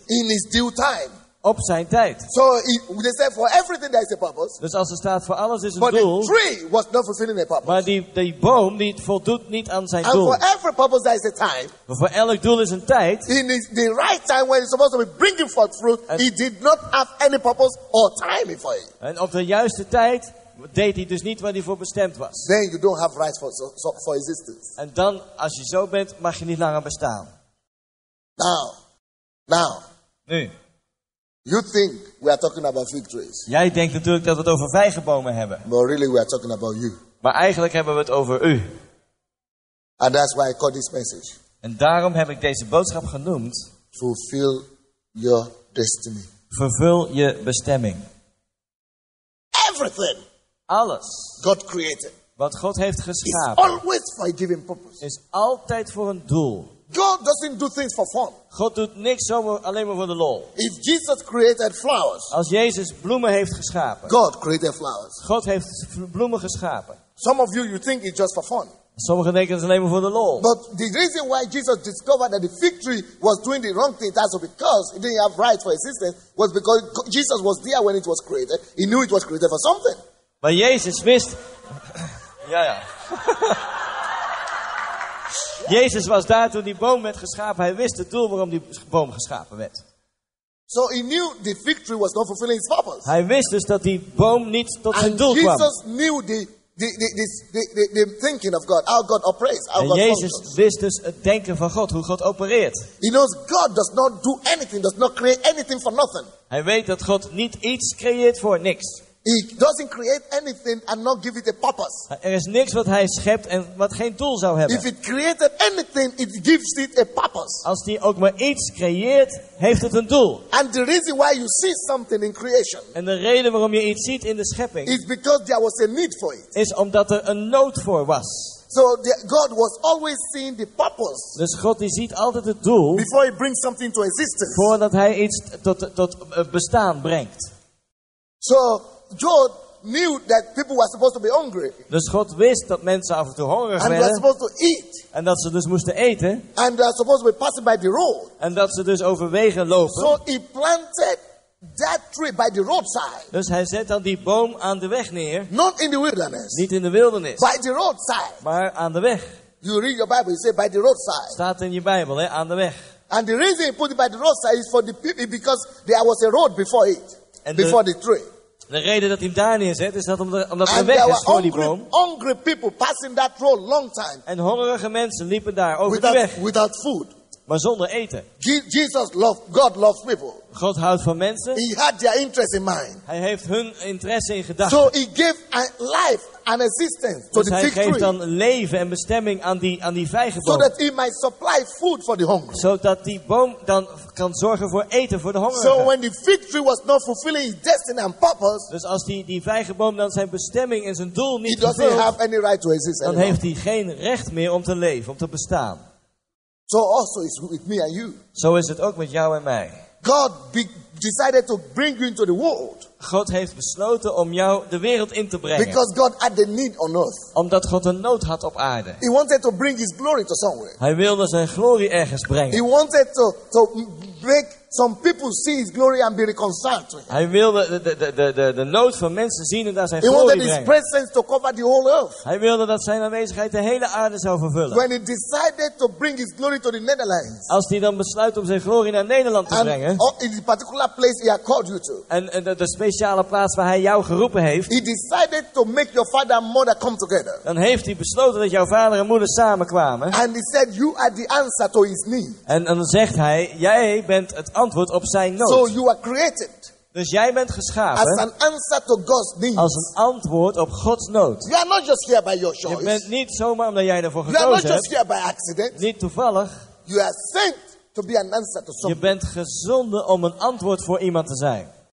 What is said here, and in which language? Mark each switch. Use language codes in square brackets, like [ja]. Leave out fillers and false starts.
[en] In his due time. [nl] op zijn tijd. [en] So they said for everything there is a purpose. [nl] Dus als er staat voor alles is een [en] but [nl] doel. [en] But the tree was not fulfilling a purpose. [nl] Maar die boom die voldoet niet aan zijn [en] and [nl] doel. [en] And for every purpose there is a time. [nl] Maar voor elk doel is een tijd. [en] In the right time when it's supposed to be bringing forth fruit, he did not have any purpose or timing for it. [nl] En op de juiste tijd deed hij dus niet wat hij voor bestemd was. [en] Then you don't have rights for existence. [nl] En dan als je zo bent mag je niet langer bestaan. [en] Now. [nl] Nu. [en] You think we are talking about fig trees. [nl] Jij denkt natuurlijk dat we het over vijgenbomen hebben. [en] But really we are talking about you. [nl] Maar eigenlijk hebben we het over u. [en] And that's why I call this message. [nl] En daarom heb ik deze boodschap genoemd. [en] Fulfill your destiny. [nl] Vervul je bestemming. [en] Everything. [nl] Alles. [en] God created. [nl] Wat God heeft geschapen. [en] Is always for a given purpose. [nl] Is altijd voor een doel. [en] God doesn't do things for fun. [nl] God doet niks alleen maar voor de lol. [en] If Jesus created flowers, [nl] als Jezus bloemen heeft geschapen. [en] God created flowers. [nl] God heeft bloemen geschapen. [en] Some of you think it's just for fun. [nl] Sommigen denken het alleen maar voor de lol. [en] But the reason why Jesus discovered that the fig tree was doing the wrong thing, that's because it didn't have rights for existence, was because Jesus was there when it was created. He knew it was created for something. [nl] Maar Jezus wist. ja. Jezus was daar toen die boom werd geschapen. Hij wist het doel waarom die boom geschapen werd. [en] So he knew the fig tree was not fulfilling its purpose. [nl] Hij wist dus dat die boom niet tot [en] and [nl] zijn doel [en] Jesus [nl] kwam. [en] Jesus knew the thinking of God, how God operates, how [nl] en [en] God [nl] Jezus [en] functions. [nl] Wist dus het denken van God, hoe God opereert. [en] He knows God does not do anything, does not create anything for nothing. [nl] Hij weet dat God niet iets creëert voor niks. [en] He doesn't create anything and not give it a purpose. [nl] Er is niks wat hij schept en wat geen doel zou hebben. [en] If it created anything, it gives it a purpose. [nl] Als die ook maar iets creëert, heeft het een doel. [en] And the reason why you see something in creation. [nl] En de reden waarom je iets ziet in de schepping. [en] Is because there was a need for it. [nl] Is omdat er een nood voor was. [en] So God was always seeing the purpose. [nl] Dus God die ziet altijd het doel. [en] Before he brings something to existence. [nl] Voordat hij iets tot bestaan brengt. [en] So God knew that people were supposed to be hungry. [nl] Dus God wist dat mensen af en toe hongerig werden. [en] And they're supposed to eat. [nl] En dat ze dus moesten eten. [en] And they're supposed to be passing by the road. [nl] En dat ze dus over wegen lopen. [en] So he planted that tree by the roadside. [nl] Dus hij zet dan die boom aan de weg neer. [en] Not in the wilderness. [nl] Niet in de wildernis. [en] By the roadside. [nl] Maar aan de weg. [en] You read your Bible, you say by the roadside. [nl] Staat in je Bijbel, hè, aan de weg. [en] And the reason he put it by the roadside is for the people because there was a road before it. And before the tree. [nl] De reden dat hij hem daar neerzet is dat omdat er weg is voor die boom. [en] Hungry people passing that road long time. [nl] En hongerige mensen liepen daar over [en] without, [nl] de weg. [en] Without food. [nl] Maar zonder eten. [en] Jesus loved, God loves people. [nl] God houdt van mensen. [en] He had their interest in mind. [nl] Hij heeft hun interesse in gedachten. [en] So he gave a life and existence to [nl] dus [en] the [nl] hij [en] victory. [nl] Geeft dan leven en bestemming aan die vijgenboom. [en] So that he might supply food for the hungry. [nl] Zodat die boom dan kan zorgen voor eten voor de hongerigen. [en] So when the fig tree was not fulfilling his destiny and purpose. [nl] Dus als die vijgenboom dan zijn bestemming en zijn doel niet vervult. [en] He doesn't have any right to exist [nl] dan [en] anymore. [nl] Heeft hij geen recht meer om te leven, om te bestaan. [en] So also it's with me and you. [nl] Zo is het ook met jou en mij. [en] God decided to bring you into the world. [nl] God heeft besloten om jou de wereld in te brengen. [en] Because God had the need on earth. [nl] Omdat God een nood had op aarde. [en] He wanted to bring his glory to somewhere. [nl] Hij wilde zijn glorie ergens brengen. [en] He wanted to make some people see his glory and be reconciled to him. [nl] Hij wilde de nood van mensen zien en daar zijn [en] he [nl] glorie brengen. [en] He wanted his presence to cover the whole earth. [nl] Hij wilde dat zijn aanwezigheid de hele aarde zou vervullen. [en] When he decided to bring his glory to the Netherlands. [nl] Als hij dan besluit om zijn glorie naar Nederland te brengen. [en] In the particular place he had called you to. [nl] En de speciale plaats waar hij jou geroepen heeft. [en] He decided to make your father and mother come together. [nl] Dan heeft hij besloten dat jouw vader en moeder samenkwamen. [en] And he said you are the answer to his need. [nl] En dan zegt hij, jij bent het antwoord op zijn nood. [en] So you are created. [nl] Dus jij bent geschapen. [en] As an answer to God's need. [nl] Als een antwoord op Gods nood. [en] You are not just here by your choice. [nl] Je bent niet zomaar omdat jij ervoor gekozen hebt. [en] You are not Just here by accident. [nl] Niet toevallig. [en] You are sent to be an answer to someone. [nl] Je bent gezonden om een antwoord voor iemand te zijn.